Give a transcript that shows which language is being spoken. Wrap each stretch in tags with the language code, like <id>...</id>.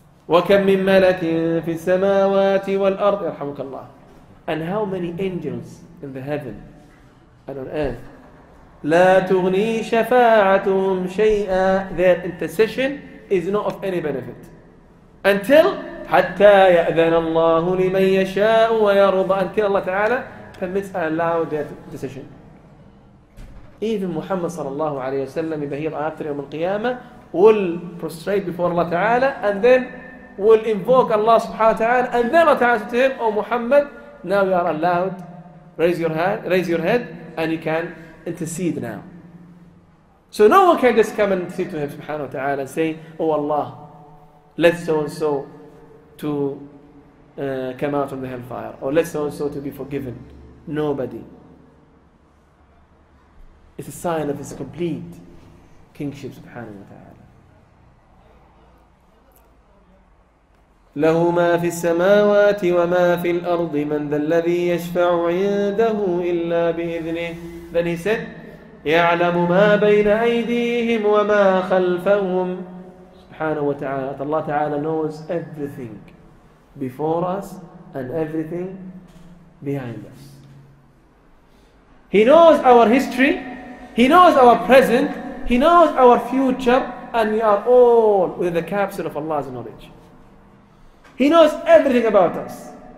<ar>وَكَمْ مِنْ مَلَكٍ فِي السَّمَاوَاتِ وَالْأَرْضِ يَرْحَمُكَ اللَّهِ</ar> <en>And how many angels in the heaven and on earth?</en> <ar>لا تغني شفاعتهم شيئا</ar> <en>Their intercession is not of any benefit. Until</en> <ar>حتى يأذن الله لمن يشاء ويرضى</ar> <en>Until Allah Ta'ala permits and allow their decision. Even Muhammad</en> <ar>صلى الله عليه وسلم يبهير</ar> <en>after يوم القيامة will prostrate before Allah Ta'ala and then will invoke Allah subhanahu wa ta'ala and then Allah Ta'ala said to him, O Muhammad, Now you are allowed, raise your head, and you can intercede now. So no one can just come and intercede to him, subhanahu wa ta'ala, and say, Oh Allah, let so-and-so to come out from the hellfire, or let so-and-so to be forgiven. Nobody. It's a sign of his complete kingship, subhanahu wa ta'ala.</en> <ar>له ما في السماوات وما في الأرض من ذا الذي يشفع عنده إلا بإذنه</ar> <en>Then he said</en> <ar>يعلم ما بين أيديهم وما خلفهم سبحانه وتعالى</ar> <en>Allah Ta'ala knows everything before us and everything behind us He knows our history He knows our present He knows our future and we are all within the capsule of Allah's knowledge He knows everything about us.</en>